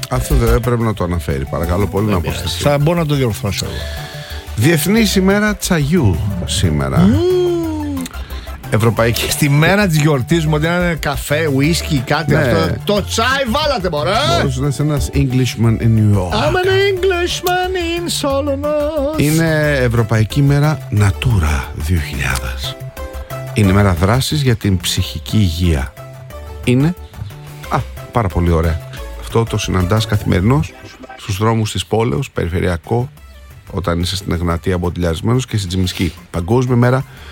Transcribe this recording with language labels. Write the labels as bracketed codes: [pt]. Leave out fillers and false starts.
[el] Αυτό δεν πρέπει να το αναφέρει, παρακαλώ πολύ. Δεν να πω. Θα μπορώ να το διορθώσω εγώ. Διεθνή ημέρα τσαγιού σήμερα. Ευρωπαϊκή. Στη μέρα της γιορτής μου, ότι είναι καφέ, ουίσκι, κάτι ναι. Αυτό. Το τσάι βάλατε, μωρέ! Μπορούσε να είσαι ένας [en] Englishman in New York. I'm an Englishman in Solonos. [el] Είναι Ευρωπαϊκή Μέρα Natura 2000. Είναι μέρα δράσης για την ψυχική υγεία. Είναι. Α, πάρα πολύ ωραία. Αυτό το συναντάς καθημερινώς στους δρόμους της πόλεως, περιφερειακό. Όταν είσαι στην Εγνατία, μποτιλιασμένος και στην Τσιμισκή. Παγκόσμια μέρα